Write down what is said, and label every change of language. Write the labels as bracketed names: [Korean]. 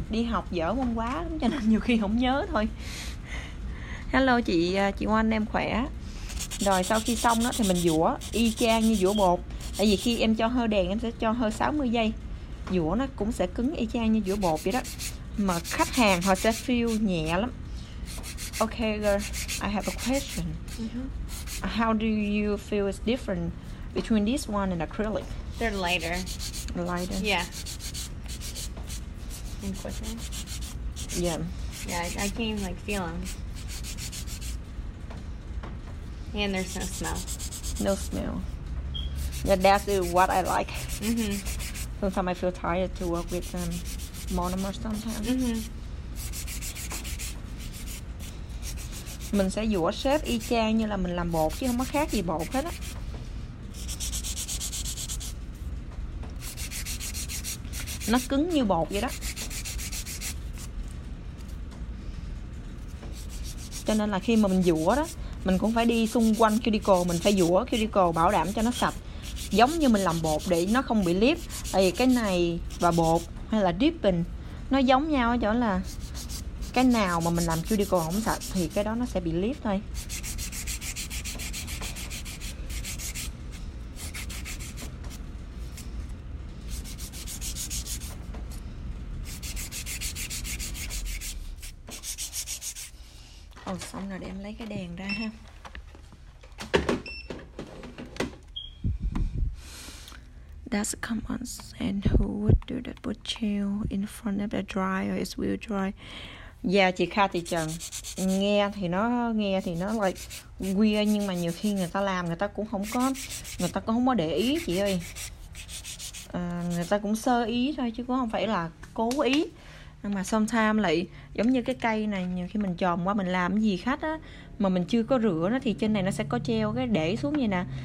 [Vietnamese] Đi học dở môn quá lắm cho nên nhiều khi không nhớ thôi. [English] Hello [Vietnamese] chị Oanh, em khỏe. Rồi sau khi xong đó thì mình dũa y chang như dũa bột. Tại vì khi em cho hơi đèn em sẽ cho hơi 60 giây, dũa nó cũng sẽ cứng y chang như dũa bột vậy đó. Mà khách hàng họ sẽ feel nhẹ lắm. [English] Ok girl, I have a question. How do you feel it's different between this one and acrylic? They're lighter. Lighter? Yeah. And quicker? Yeah. Yeah, I can't even like feel them. And there's no smell. No smell. Yeah, that's what I like. Mm-hmm. Sometimes I feel tired to work with monomers sometimes. Mm-hmm. [Vietnamese] Mình sẽ dũa xếp y chang như là mình làm bột chứ không có khác gì bột hết á. Nó cứng như bột vậy đó. Cho nên là khi mà mình dũa đó, mình cũng phải đi xung quanh cuticle, mình phải dũa cuticle bảo đảm cho nó sạch, giống như mình làm bột để nó không bị lip. Tại vì cái này và bột hay là dipping nó giống nhau ở chỗ là cái nào mà mình làm cuticle không sạch thì cái đó nó sẽ bị lip thôi. Xong rồi để em lấy cái đèn ra ha. [English] That's a common and who would do that would chill in front of the dryer is will dry. [Vietnamese] Yeah, chị Kha thì Trần nghe thì nó [English] like weird, [Vietnamese] nhưng mà nhiều khi người ta làm người ta cũng không có, người ta cũng không có để ý chị ơi. Người ta cũng sơ ý thôi chứ cũng không phải là cố ý. Nhưng mà sometimes lại giống như cái cây này, nhiều khi mình chòm qua mình làm gì khách á mà mình chưa có rửa nó thì trên này nó sẽ có treo cái để xuống như nè.